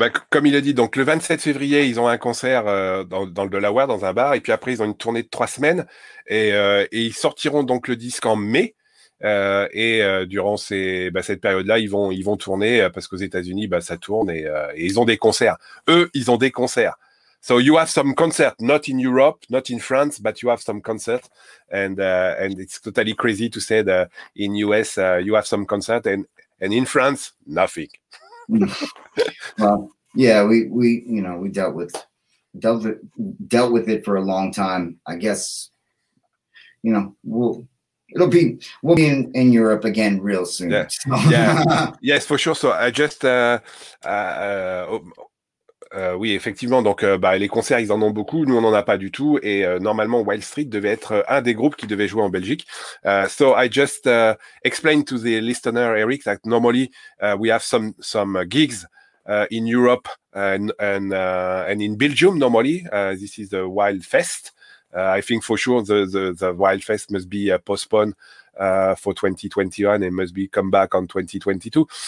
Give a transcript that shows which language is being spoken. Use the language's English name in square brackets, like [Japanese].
[French] Comme il a dit, donc le 27 février, ils ont un concert dans le Delaware, dans un bar, et puis après, ils ont une tournée de 3 semaines, et ils sortiront donc le disque en mai. Durant cette période-là, ils vont tourner parce qu'aux États-Unis, ça tourne et ils ont des concerts. Eux, ils ont des concerts. [English] So you have some concert, not in Europe, not in France, but you have some concert, and it's totally crazy to say that in US you have some concert and in France nothing. Well, yeah, we dealt with it for a long time. I guess you know, we'll be in Europe again real soon. Yeah. So. Yeah. Yes, for sure. So I just [French] oui, effectivement. Donc, les concerts, ils en ont beaucoup. Nous, on n'en a pas du tout. Et normalement, Wild Street devait être un des groupes qui devait jouer en Belgique. [English] So I just explained to the listener, Eric, that normally we have some gigs in Europe and in Belgium. Normally, this is the Wild Fest. I think for sure the Wild Fest must be postponed for 2021 and must be come back on 2022.